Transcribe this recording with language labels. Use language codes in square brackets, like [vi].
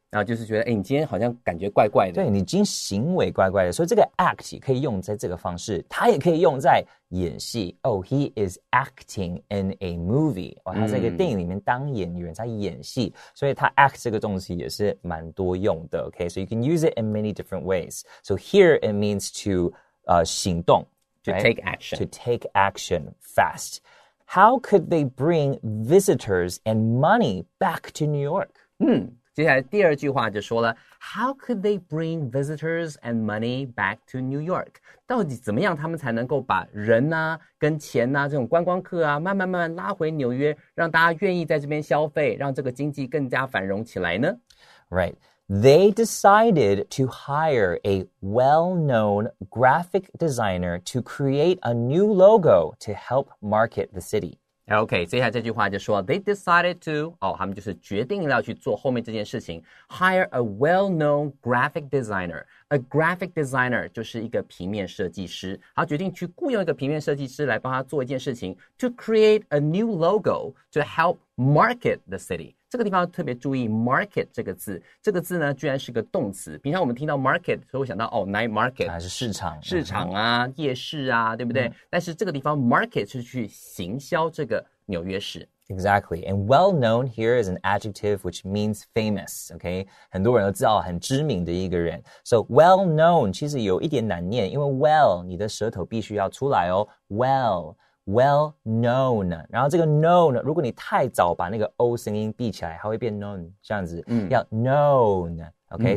[zh] 然后就是觉得，哎，你今天好像感觉怪怪的。对，你今天行为怪怪的。所以这个 act 可以用在这个方式，它也可以用在演戏。 [en] Oh, he is acting in a movie. [zh] 哦，他在一个电影里面当演员，在演戏。所以他 act 这个动词也是蛮多用的。 [en] Okay, so you can use it in many different ways. So here it means to 行动，to take action, to take action fast. How could they bring visitors and money back to New York? [zh] 接下来第二句话就说了 [en] How could they bring visitors and money back to New York? [zh] 到底怎么样他们才能够把人啊跟钱啊这种观光客啊慢慢拉回纽约让大家愿意在这边消费让这个经济更加繁荣起来呢 [en] Right. They decided to hire a well-known graphic designer to create a new logo to help market the city. [zh] Okay, 接下来这句话就说 [en] They decided to, [zh] 哦，他们就是决定要去做后面这件事情 [en] Hire a well-known graphic designer [zh] A graphic designer 就是一个平面设计师他决定去雇佣一个平面设计师来帮他做一件事情 [en] To create a new logo to help market the city [zh] 这个地方特别注意 market 这个字这个字呢居然是个动词平常我们听到 market 所以我想到哦 [en] night market [zh] 还是市场市场啊夜市啊对不对、但是这个地方 market 是去行销这个纽约市 [en] Exactly. And well-known here is an adjective which means famous, okay? [zh] 很多人都知道很知名的一个人。 So well-known 其实有一点难念因为 well, 你的舌头必须要出来哦。 Well-known. 然后这个 known, 如果你太早把那个 O 声音闭起来它会变 known, 这样子。 [en] 要 known, okay?